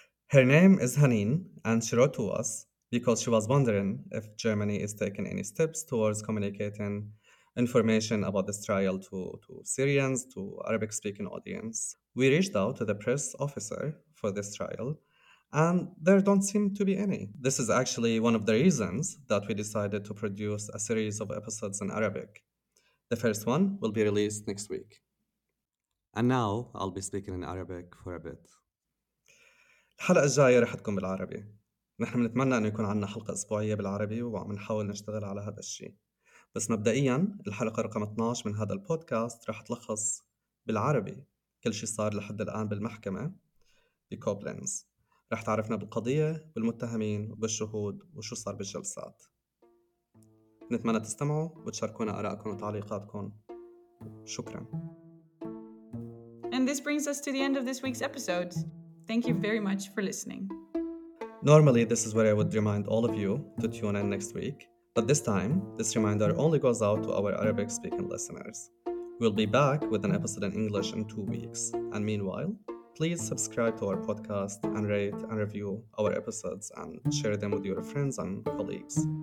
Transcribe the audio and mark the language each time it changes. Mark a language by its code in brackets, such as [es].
[en] Her name is Hanin, and she wrote to us because she was wondering if Germany is taking any steps towards communicating information about this trial to Syrians, to Arabic-speaking audience. We reached out to the press officer for this trial, And there don't seem to be any. This is actually one of the reasons that we decided to produce a series of episodes in Arabic. The first one will be released next week. And now I'll be speaking in Arabic for a bit. [ar] الحلقة الجاية رح تكون بالعربي. نحن بنتمنى أن يكون عنا حلقة أسبوعية بالعربي وعم نحاول نشتغل على هذا الشيء. بس مبدئياً الحلقة رقم 12 من هذا البودكاست رح تلخص بالعربي كل شيء صار لحد الآن بالمحكمة بكوبلينز. رح تعرفنا بالقضية والمتهمين وبالشهود وشو صار بالجلسات. نتمنى تستمعوا وتشاركونا آرائكم وتعليقاتكم. شكراً. [en] And this brings us to the end of this week's episode. Thank you very much for listening. Normally, this is where I would remind all of you to tune in next week. But this time, this reminder only goes out to our Arabic-speaking listeners. We'll be back with an episode in English in 2 weeks. And meanwhile, please subscribe to our podcast and rate and review our episodes and share them with your friends and colleagues.